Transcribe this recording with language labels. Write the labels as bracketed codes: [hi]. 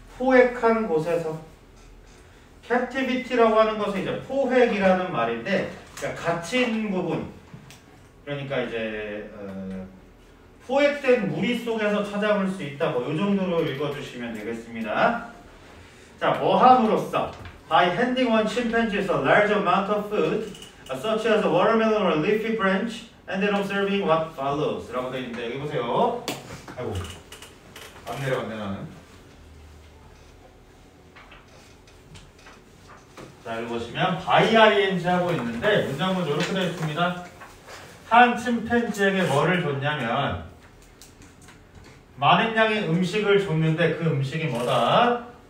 [ko] 포획한 곳에서. captivity라고 하는 것은 이제 포획이라는 말인데, 그러니까 갇힌 부분. 그러니까 이제, 포획된 무리 속에서 찾아볼 수 있다. 뭐, 요 정도로 읽어주시면 되겠습니다. 자, 뭐 함으로써? [en] By handing one chimpanzees a large amount of food, such as a watermelon or a leafy branch, and then observing what follows. [ko] 라고 되어 있는데, 여기 보세요. 아이고. 안 내려, 안 내, 나는. 자, 여기 보시면, by ing 하고 있는데, 문장은 이렇게 되어 있습니다. 한 침팬지에게 뭐를 줬냐면, 많은 양의 음식을 줬는데, 그 음식이 뭐다?